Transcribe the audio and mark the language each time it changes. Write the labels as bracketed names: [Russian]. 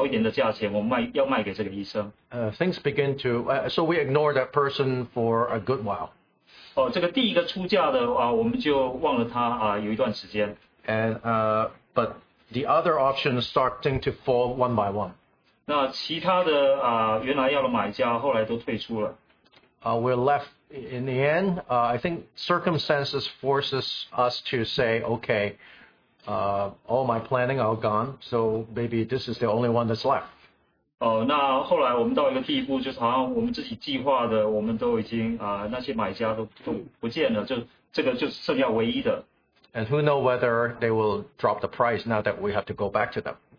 [Chinese] 因为我们想说医生是医生，他可能付现金比较容易付出来，那我们就宁愿就是这个少一点的价钱，我们要卖给这个医生。 [English] Things begin to, so we ignore that person for a good while. [Chinese] 这个第一个出价的，我们就忘了他有一段时间。 [English] And but the other options starting to fall one by one. [Chinese] 那其他的原来要的买家后来都退出了。 [English] We're left in the end. I think circumstances forces us to say, okay, all my planning all gone, so maybe this is the only one that's left. [Chinese] 那后来我们到一个地步，就是好像我们自己计划的，我们都已经那些买家都不见了，就这个就剩下唯一的。 [English] And who know whether they will drop the price now that we have to go back to them.